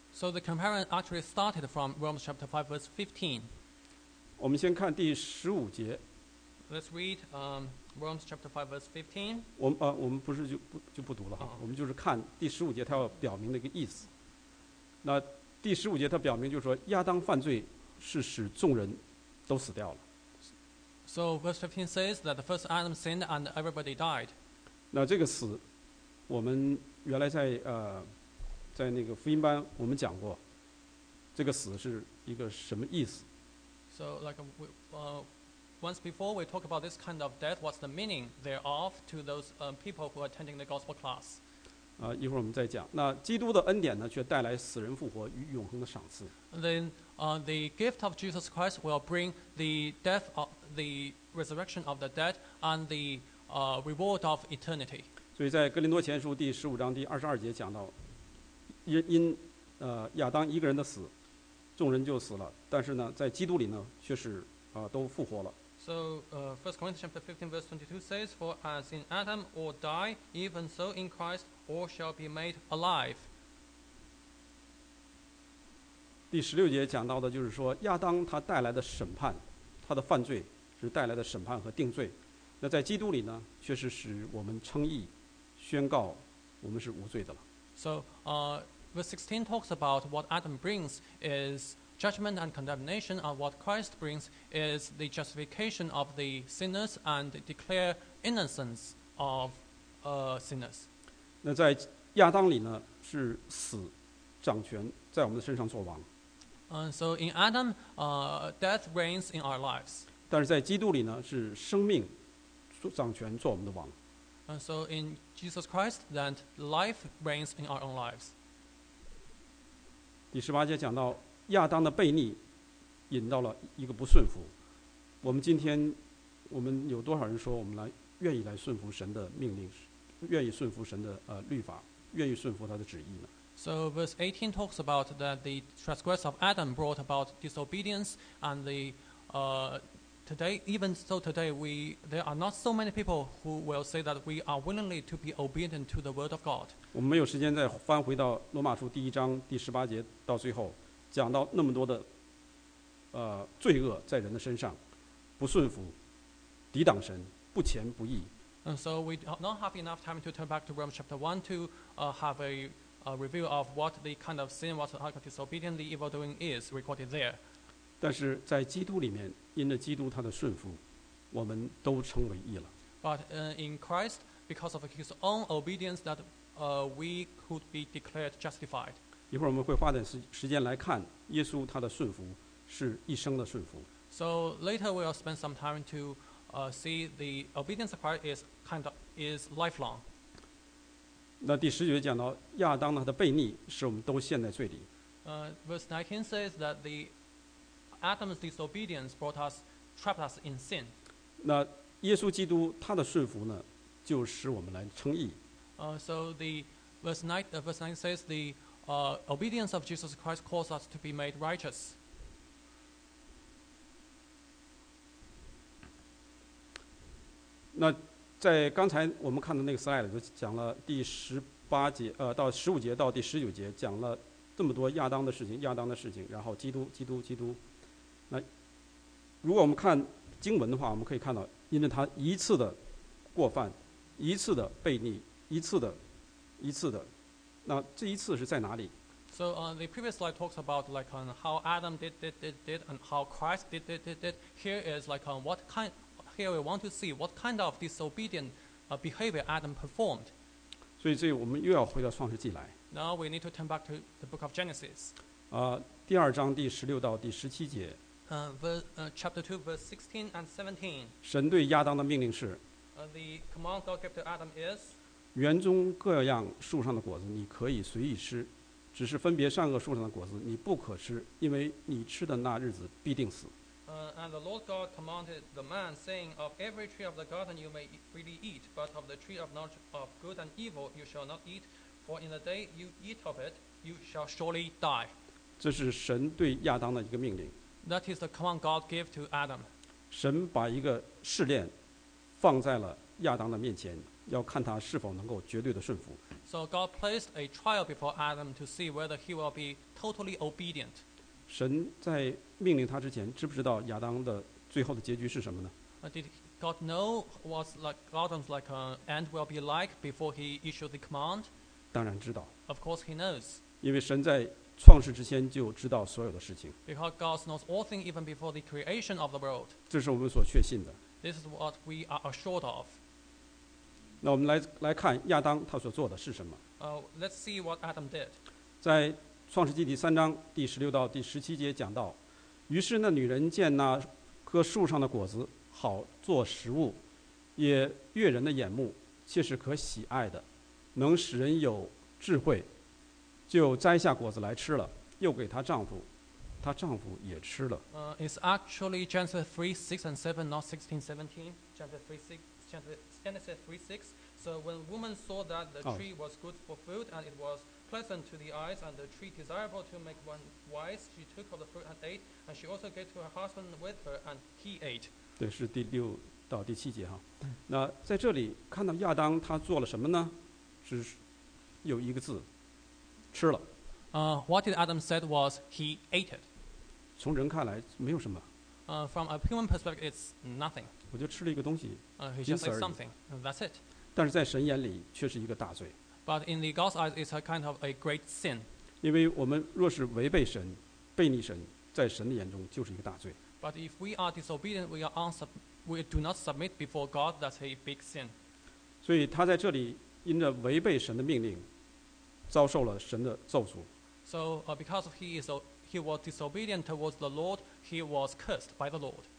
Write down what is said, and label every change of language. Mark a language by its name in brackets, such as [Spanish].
[English] So the comparison actually started from Romans chapter 5 verse 15. [Chinese] 我们先看第十五节。 [English] Let's read Romans chapter 5 verse 15. [Chinese] 我们不是就不读了哈， oh. 我们就是看第十五节他要表明的一个意思。那第十五节他表明就是说，亚当犯罪是使众人都死掉了。 [English] So verse 15 says that the first Adam sinned and everybody died. [Chinese] 那这个死，我们原来在在那个福音班我们讲过，这个死是一个什么意思 [English] ？So like once before we talk about this kind of death, what's the meaning thereof to those people who are attending the gospel class? [Chinese] 一会儿我们再讲。那基督的恩典呢，却带来死人复活与永恒的赏赐。 [English] Then the gift of Jesus Christ will bring the death of the resurrection of the dead and the reward of eternity. [Chinese] 所以在哥林多前书第十五章第二十二节讲到，因亚当一个人的死，众人就死了。但是呢，在基督里呢，却是都复活了。 [English] So, First Corinthians chapter 15, verse 22 says, "For as in Adam all die, even so in Christ all shall be made alive." [Chinese] 第十六节讲到的就是说，亚当他带来的审判，他的犯罪是带来的审判和定罪。那在基督里呢，却是使我们称义，宣告我们是无罪的了。 [English] So, verse 16 talks about what Adam brings is judgment and condemnation, and what Christ brings is the justification of the sinners and declare innocence of sinners. [Chinese] 那在亚当里呢，是死掌权在我们的身上作王。 [English] So in Adam, death reigns in our lives. [Chinese] 但是在基督里呢，是生命掌权做我们的王。 [English] So in Jesus Christ, then life reigns in our own lives. [Chinese] 第十八节讲到亚当的悖逆引到了一个不顺服。我们今天我们有多少人说我们来愿意来顺服神的命令，愿意顺服神的律法，愿意顺服他的旨意呢？ [English] So verse 18 talks about that the transgress of Adam brought about disobedience and the today, even so today, there are not so many people who will say that we are willingly to be obedient to the word of God. [Chinese] 我们没有时间再翻回到罗马书第一章第十八节到最后，讲到那么多的罪恶在人的身上，不顺服，抵挡神，不虔不义。 [English] And so we do not have enough time to turn back to Romans chapter 1 to have a review of what the kind of sin, what the disobedient, the evil doing is recorded there. [Chinese] 但是在基督里面，因着基督他的顺服，我们都称为义了。 [English] But in Christ, because of his own obedience, that we could be declared justified. [Chinese] 一会儿我们会花点时间来看耶稣他的顺服是一生的顺服。 [English] So later we will spend some time to see the obedience of Christ is lifelong. [Chinese] 那第十节讲到亚当他的悖逆使我们都陷在罪里。 [English] Verse 19 says that the Adam's disobedience trapped us in sin. [Chinese] 那耶稣基督他的顺服呢，就使我们来称义。 [English] So the verse 19 says the obedience of Jesus Christ caused us to be made righteous. [Chinese] 那在刚才我们看的那个 slide 就讲了第十八节到十五节到第十九节讲了这么多亚当的事情，然后基督。那如果我们看经文的话，我们可以看到，因着他一次的过犯，一次的悖逆，一次的，那这一次是在哪里 [English] ？So the previous slide talks about how Adam did and how Christ did. Here is what kind. Here we want to see what kind of disobedient behavior Adam performed. [Chinese] 所以这我们又要回到创世纪来。 [English] Now we need to turn back to the book of Genesis. [Chinese] 第二章第十六到第十七节。 [English] Chapter 2, verse 16 and 17. [Chinese] 神对亚当的命令是。 [English] The command God gave to Adam is. [Chinese] 园中各样树上的果子你可以随意吃，只是分别善恶树上的果子你不可吃，因为你吃的那日子必定死。 [English] And the Lord God commanded the man, saying, Of every tree of the garden you may freely eat, but of the tree of knowledge of good and evil you shall not eat, for in the day you eat of it, you shall surely die. [Chinese] 这是神对亚当的一个命令。 [English] That is the command God gave to Adam. [Chinese] 神把一个试炼放在了亚当的面前，要看他是否能够绝对的顺服。 [English] So God placed a trial before Adam to see whether he will be totally obedient. [Chinese] 神在命令他之前，知不知道亚当的最后的结局是什么呢 [English] ？Did God know what Adam's end will be like before he issued the command？ [Chinese] 当然知道。 [English] Of course he knows。 [Chinese] 因为神在创世之前就知道所有的事情。 [English] Because God knows all things even before the creation of the world。 [Chinese] 这是我们所确信的。 [English] This is what we are assured of。 [Chinese] 那我们来看亚当他所做的是什么 [English] ？Let's see what Adam did。 [Chinese] 在创世纪第三章第十六到第十七节讲到，于是那女人见那棵树上的果子好做食物，也悦人的眼目，却是可喜爱的，能使人有智慧，就摘下果子来吃了，又给她丈夫，她丈夫也吃了。 [English] It's actually Genesis 3:6-7, not 16:17. Genesis 3:6. So when woman saw that the tree was good for food and it was pleasant to the eyes and the tree desirable to make one wise, she took of the fruit and ate, and she also gave to her husband with her, and he ate. [Chinese] 对，是第六到第七节哈。那在这里看到亚当他做了什么呢？是有一个字，吃了。 [English] What Adam said was he ate it. [Chinese] 从人看来没有什么。 [English] From a human perspective, it's nothing. [Chinese] 我就吃了一个东西。 [English] He just ate something. That's it. [Chinese] 但是在神眼里却是一个大罪。 [English] But in the God's eyes, it's a kind of a great sin. [Chinese] 因为我们若是违背神、悖逆神，在神的眼中就是一个大罪。 [English] But if we are disobedient, we do not submit before God. That's a big sin. [Chinese] 所以他在这里因着违背神的命令，遭受了神的咒诅。 [English] So because he was disobedient towards the Lord, he was cursed by the Lord.